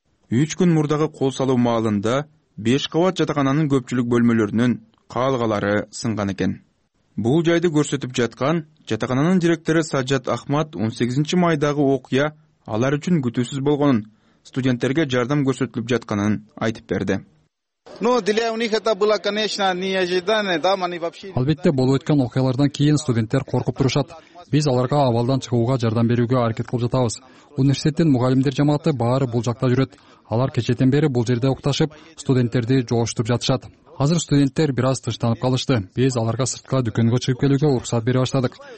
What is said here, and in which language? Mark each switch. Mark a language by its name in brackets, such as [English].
[Kyrgyz] 3 күн мурдагы кол салуу маалында 5 кабат жатакананын көпчүлүк бөлмөлөрүнүн каалгалары сынган экен. Бул жайды көрсөтүп жаткан жатакананын директору Саджат Ахмат 18 майдагы окуя алар үчүн күтүүсүз болгонун, студенттерге жардам көрсөтүлүп жатканын айтып берди. [Russian] Ну, для у них это было, конечно, неожиданно, да, они вообще. [Kyrgyz] Албетте болуп өткөн окуялардан кийин студенттер коркуп турушат. Биз аларга абалдан чыгууга жардам берүүгө аракет кылып жатабыз. Университеттин мугалимдер жамааты баары бул жакта жүрөт. Алар кечеден бери бул жерде укташып, студенттерди жоошутуп жатышат. Азыр студенттер бир аз тынчтанып калышты. Биз аларга сыртка дүкөнгө чыгып келүүгө уруксат бере баштадык.